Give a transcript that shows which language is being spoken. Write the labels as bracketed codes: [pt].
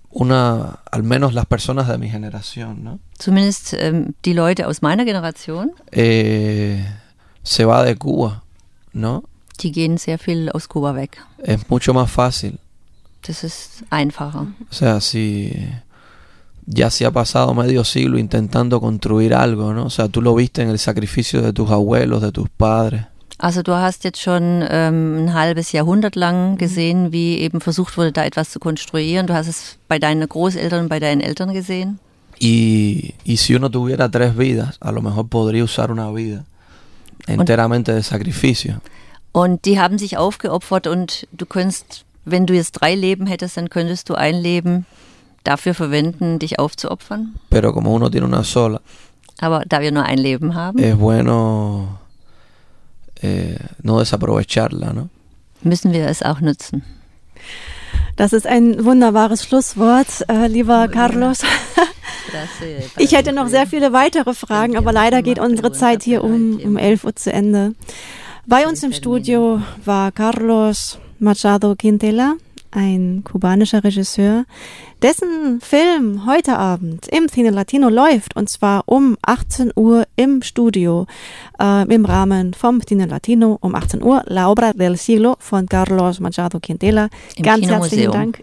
[es] Al menos las personas de mi generación, ¿no? [de] Zumindest die Leute aus meiner Generation. [es] Se va de Cuba, ¿no? [de] Die gehen sehr viel aus Kuba weg. [es] Es mucho más fácil. [de] Das ist einfacher. [es] O sea, si ya se ha pasado medio siglo intentando construir algo, ¿no? O sea, tú lo viste en el sacrificio de tus abuelos, de tus padres. [de] Also du hast jetzt schon ein halbes Jahrhundert lang gesehen, wie eben versucht wurde, da etwas zu konstruieren. Du hast es bei deinen Großeltern, bei deinen Eltern gesehen. [es] Y si uno tuviera tres vidas, a lo mejor podría usar una vida. Enteramente de sacrificio. [de] Und die haben sich aufgeopfert und du könntest, wenn du jetzt drei Leben hättest, dann könntest du ein Leben dafür verwenden, dich aufzuopfern. [es] Pero como uno tiene una sola, [de] aber da wir nur ein Leben haben, [es] es bueno, no desaprovecharla, ¿no? [de] Müssen wir es auch nutzen. Das ist ein wunderbares Schlusswort, lieber Carlos. Ich hätte noch sehr viele weitere Fragen, aber leider geht unsere Zeit hier um 11 Uhr zu Ende. Bei uns im Studio war Carlos Machado Quintela, ein kubanischer Regisseur, dessen Film heute Abend im Cine Latino läuft, und zwar um 18 Uhr im Studio, im Rahmen vom Cine Latino um 18 Uhr, La Obra del Siglo von Carlos Machado Quintela. Ganz herzlichen Dank.